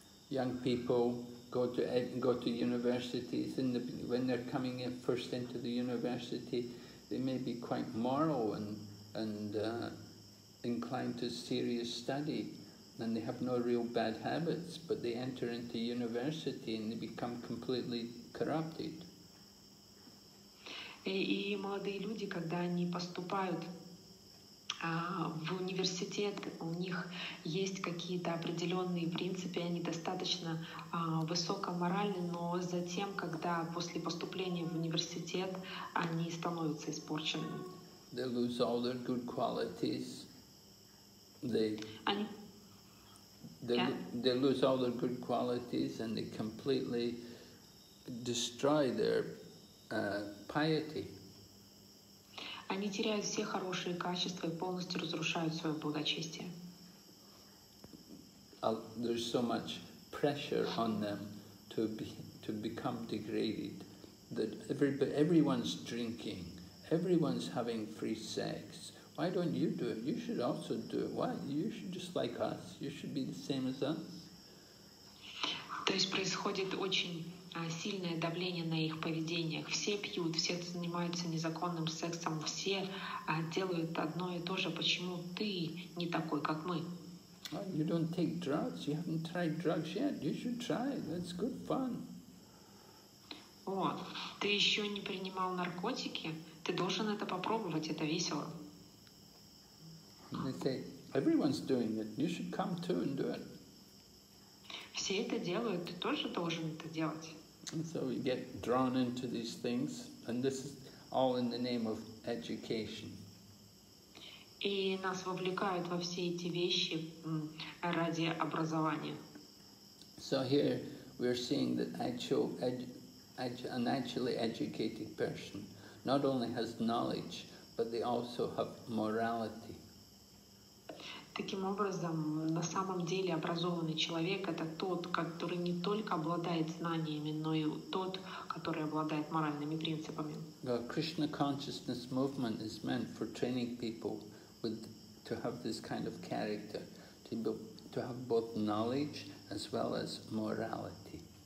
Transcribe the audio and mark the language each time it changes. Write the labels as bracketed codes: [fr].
[en] Young people go to universities, and when they're coming in first into the university, they may be quite moral and inclined to serious study, and they have no real bad habits, but they enter into university and they become completely corrupted. [ru] И молодые люди, когда они поступают в университет, у них есть какие-то определенные принципы, они достаточно высокоморальны, но затем, когда после поступления в университет, они становятся испорченными. [en] They lose all their good qualities. They lose all their good qualities, and they completely destroy their piety. [ru] Они теряют все хорошие качества и полностью разрушают свое благочестие. [en] There's so much pressure on them to become degraded that everyone's drinking, everyone's having free sex. Why don't you do it? You should also do it. Why? You should just like us. You should be the same as us. [ru] То есть происходит очень сильное давление на их поведениях. Все пьют, все занимаются незаконным сексом, все делают одно и то же. Почему ты не такой, как мы? [en] Well, you don't take drugs. You haven't tried drugs yet. You should try. That's good fun. [ru] Ты еще не принимал наркотики? Ты должен это попробовать. Это весело. [en] And they say, everyone's doing it. You should come too and do it. [ru] Все это делают, ты тоже должен это делать. [en] And so we get drawn into these things, and this is all in the name of education. [ru] И нас вовлекают во все эти вещи ради образования. [en] So here we are seeing that an actually educated person not only has knowledge, but they also have morality. [ru] Таким образом, на самом деле образованный человек – это тот, который не только обладает знаниями, но и тот, который обладает моральными принципами. [en] Krishna consciousness movement is meant for training people to have this kind of character, to have both knowledge as well as morality.